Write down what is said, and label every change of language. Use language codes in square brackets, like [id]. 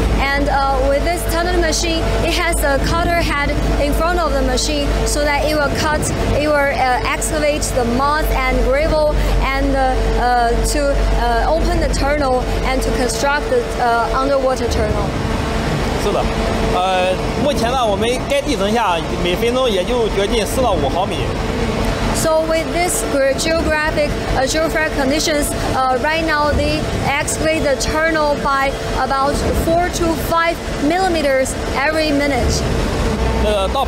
[en] And with this tunneling machine, it has a cutter head in front of the machine so that it will cut, it will excavate the mud and gravel and to open the tunnel and to construct the underwater tunnel. [zh] 是的，目前呢，我们该地层下每分钟也就掘进4到5毫米。 [en] So with this geographic geophysical conditions, right now they excavate the tunnel by about 4 to 5 millimeters every minute.